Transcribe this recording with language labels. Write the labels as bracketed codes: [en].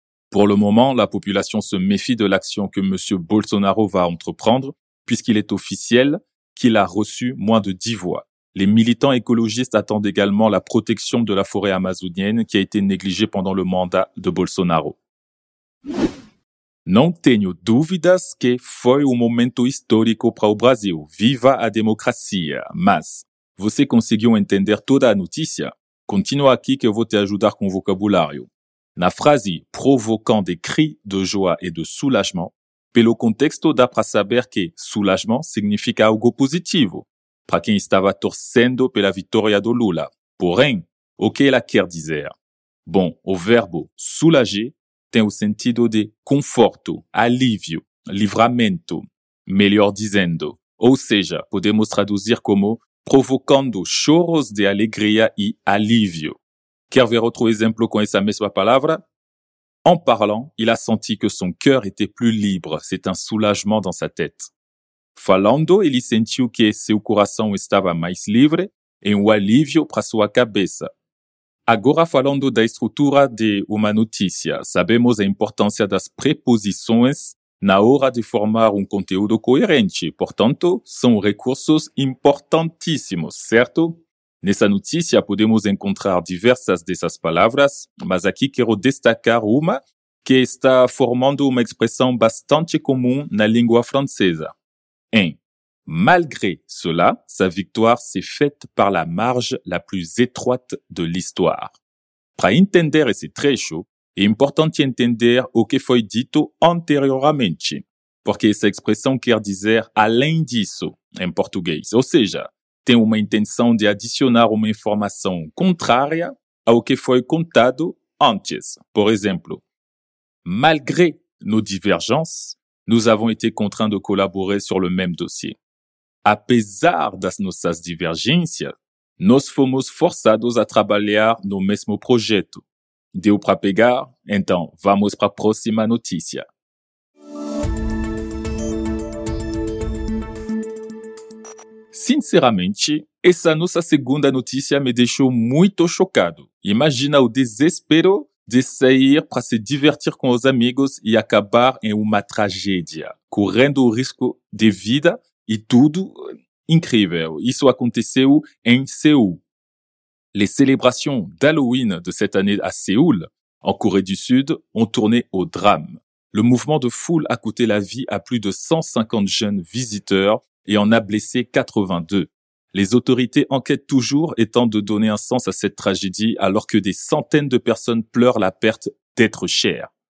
[fr] Pour le moment, la population se méfie de l'action que Monsieur Bolsonaro va entreprendre, puisqu'il est officiel qu'il a reçu moins de 10 voix. Les militants écologistes attendent également la protection de la forêt amazonienne qui a été négligée pendant le mandat de Bolsonaro. [pt] Não tenho dúvidas que foi momento histórico para o Brasil. Viva a democracia! Mas você conseguiu entender toda a notícia? Continua aqui que eu vou te ajudar com o vocabulário. Na frase provocando [fr] des cris de joie et de soulagement, [pt] pelo contexto dá para saber que soulagement significa algo positivo para quem estava torcendo pela vitória do Lula. Porém, o que ela quer dizer? Bom, o verbo soulager tem o sentido de conforto, alívio, livramento, melhor dizendo. Ou seja, podemos traduzir como provocando choros de alegria e alívio. Quer ver outro exemplo com essa mesma palavra? [fr] En parlant, il a senti que son cœur était plus libre. C'est un soulagement dans sa tête. [pt] Falando, ele sentiu que seu coração estava mais livre e um alívio para sua cabeça. Agora, falando da estrutura de uma notícia, sabemos a importância das preposições na hora de formar conteúdo coerente. Portanto, são recursos importantíssimos, certo? Nessa notícia, podemos encontrar diversas dessas palavras, mas aqui quero destacar uma que está formando uma expressão bastante comum na língua francesa. [fr] Em malgré cela, sa victoire s'est faite par la marge la plus étroite de l'histoire. [pt] Para entender esse trecho, é importante entender o que foi dito anteriormente, porque essa expressão quer dizer além disso, em português, ou seja, tem uma intenção de adicionar uma informação contrária ao que foi contado antes. Por exemplo, [fr] malgré nos divergences, nous avons été contraints de collaborer sur le même dossier. [pt] Apesar das nossas divergências, nós fomos forçados a trabalhar no mesmo projeto. Deu para pegar? Então, vamos para a próxima notícia. Sinceramente, essa nossa segunda notícia me deixou muito chocado. Imagina o desespero de sair para se divertir com os amigos e acabar em uma tragédia, correndo o risco de vida e tudo. Incrível, isso aconteceu em Seul. [fr] Les célébrations d'Halloween de cette année à Séoul, en Corée du Sud, ont tourné au drame. Le mouvement de foule a coûté la vie à plus de 150 jeunes visiteurs et en a blessé 82. Les autorités enquêtent toujours et tentent de donner un sens à cette tragédie alors que des centaines de personnes pleurent la perte d'êtres chers.